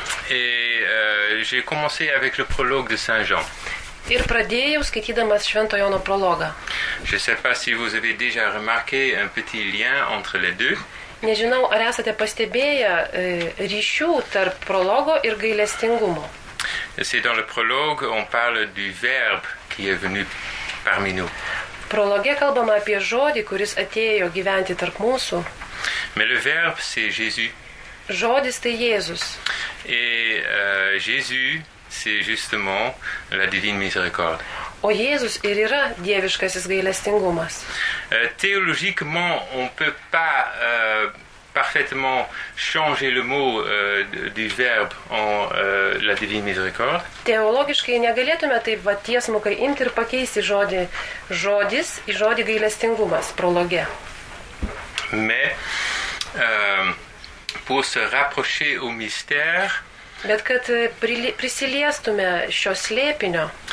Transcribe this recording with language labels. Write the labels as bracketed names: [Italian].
[French] J'ai commencé avec le prologue de Saint Jean. [Lithuanian] Ir pradėjau skaitydamas Švento Jono prologą. [French] Je ne sais pas si vous avez déjà remarqué un petit lien entre les deux. [Lithuanian] Nežinau, ar esate pastebėję ryšių tarp prologo ir gailestingumo. [French] C'est dans le prologue, on parle du verbe qui est venu parmi nous. [Lithuanian] Prologe kalbama apie žodį, kuris atėjo gyventi tarp mūsų. [French] Mais le verbe, c'est Jésus. [Lithuanian] Žodis tai Jėzus. [French] Et Jésus... C'est justement la divine miséricorde. [Lithuanian] O Jėzus ir yra dieviškasis gailestingumas. [French] Théologiquement, on peut pas parfaitement changer le mot du verbe en la divine miséricorde. [Lithuanian] Teologiškai negalėtume taip va tiesmukai imti ir pakeisti žodis į žodį gailestingumas prologe. [French] Mais pour se rapprocher au mystère, [Lithuanian] bet kad prisiliestume šio slėpinio.